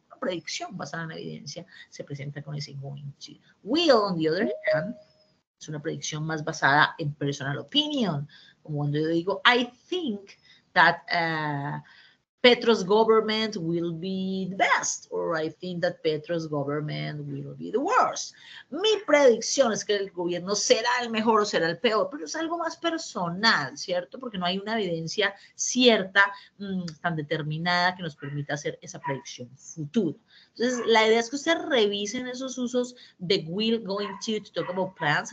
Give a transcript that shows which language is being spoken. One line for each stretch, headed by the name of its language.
Spanish: Una predicción basada en evidencia se presenta con ese going to. Will,
English: on the other hand,
Spanish: es una predicción más basada en
English: personal opinion.
Spanish: Como cuando yo digo,
English: I think that Petro's government will be the best, or I think that Petro's government will be the worst.
Spanish: Mi predicción es que el gobierno será el mejor o será el peor, pero es algo más personal, ¿cierto? Porque no hay una evidencia cierta, tan determinada, que nos permita hacer esa predicción futura. Entonces, la idea es que ustedes revisen esos usos de will, going to talk about plans.